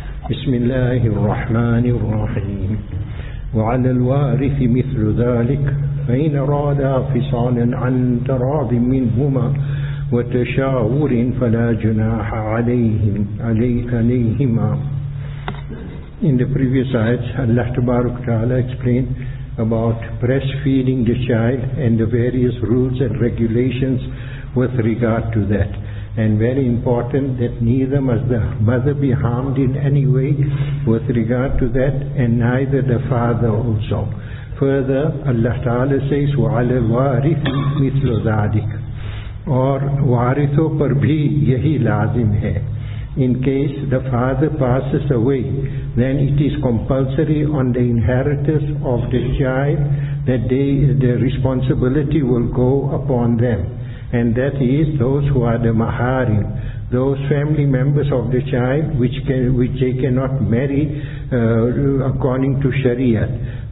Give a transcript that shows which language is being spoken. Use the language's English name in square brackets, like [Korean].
[Arabic] بسم الله الرحمن الرحيم. وعلى الوارث مثل ذلك، فإن أرادا فصالا عن تراض منهما وتشاور فلا جناح عليهم عليهما. [English] In the previous ayat, Allah Tabarak Ta'ala explained about breastfeeding the child and the various rules and regulations with regard to that. And very important that neither must the mother be harmed in any way with regard to that, and neither the father also. Further, Allah Ta'ala says, [Arabic] وَعَلَى الْوَارِثِ مِثْلُ ذَٰلِكَ. [Urdu] Or, وَارِثُ پَرْ بھی یہی لازم ہے. [English] In case the father passes away, then it is compulsory on the inheritors of the child that the responsibility will go upon them. And that is those who are the maharim, those family members of the child which they cannot marry according to Sharia.